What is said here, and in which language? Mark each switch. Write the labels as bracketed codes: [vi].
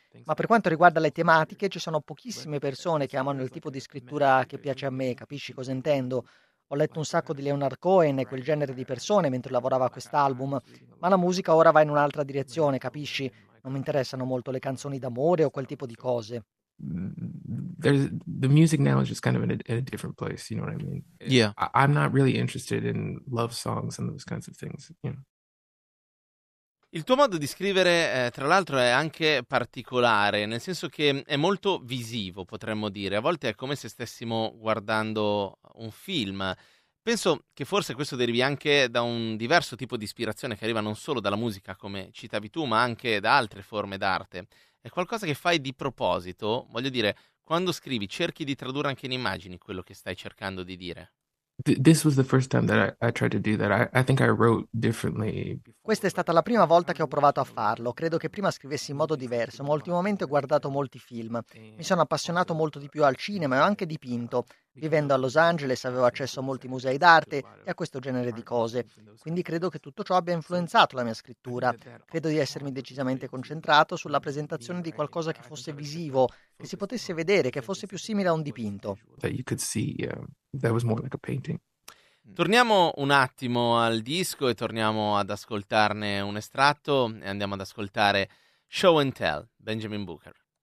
[it] Ma per quanto riguarda le tematiche ci sono pochissime persone che amano il tipo di scrittura che piace a me, capisci cosa intendo? Ho letto un sacco di Leonard Cohen e quel genere di persone mentre lavoravo a quest'album, ma la musica ora va in un'altra direzione, capisci? Non mi interessano molto le canzoni d'amore o quel tipo di cose. [en] The music now is just kind of in a different place, you know what I mean? Yeah. I'm not really interested in love songs and those kinds of things, you know? [it] Il tuo modo di scrivere, tra l'altro, è anche particolare, nel senso che è molto visivo, potremmo dire. A volte è come se stessimo guardando un film. Penso che forse questo derivi anche da un diverso tipo di ispirazione che arriva non solo dalla musica, come citavi tu, ma anche da altre forme d'arte. È qualcosa che fai di proposito? Voglio dire, quando scrivi, cerchi di tradurre anche in immagini quello che stai cercando di dire. [en] This was the first time that I tried to do that. I think I wrote differently. [it] Questa è stata la prima volta che ho provato a farlo. Credo che prima scrivessi in modo diverso, ma ultimamente ho guardato molti film. Mi sono appassionato molto di più al cinema e ho anche dipinto. Vivendo a Los Angeles avevo accesso a molti musei d'arte e a questo genere di cose. Quindi credo che tutto ciò abbia influenzato la mia scrittura. Credo di essermi decisamente concentrato sulla presentazione di qualcosa che fosse visivo, che si potesse vedere, che fosse più simile a un dipinto. [en] That you could see, that was more like a painting. [it] Torniamo un attimo al disco e torniamo ad ascoltarne un estratto e andiamo ad ascoltare Show and Tell, Benjamin Booker.